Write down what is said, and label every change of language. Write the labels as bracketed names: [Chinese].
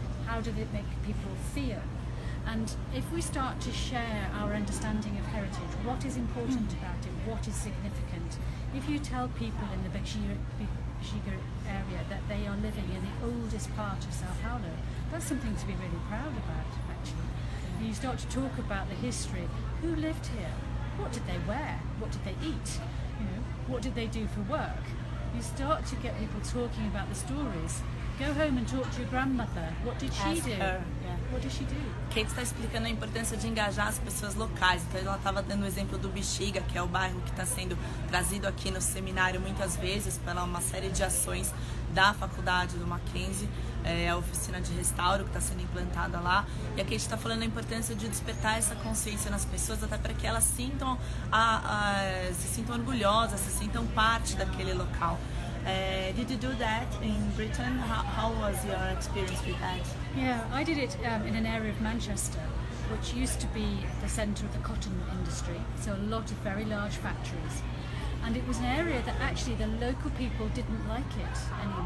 [English] How does it make people feel? And if we start to share our understanding of heritage, what is important about it, what is significant, if you tell people in the Bexiga area that they are living in the oldest part of Sao Paulo, that's something to be really proud about, actually. You start to talk about the history. Who lived here? What did they wear? What did they eat? You know, what did they do for work? You start to get people talking about the stories. Go home and talk to your grandmother. What did she do? [Portuguese] Kate está explicando a importância de engajar as pessoas locais. Então ela estava dando o exemplo do Bexiga, que é o bairro que está sendo trazido aqui no seminário muitas vezes pela uma série de ações da faculdade do Mackenzie, a oficina de restauro que está sendo implantada lá. E a Kate está falando a importância de despertar essa consciência nas pessoas, até para que elas sintam se sintam orgulhosas, se sintam parte daquele local. [English] Did you do that in Britain? How was your experience with that? Yeah, I did it in an area of Manchester, which used to be the centre of the cotton industry, so a lot of very large factories. And it was an area that actually the local people didn't like it anymore.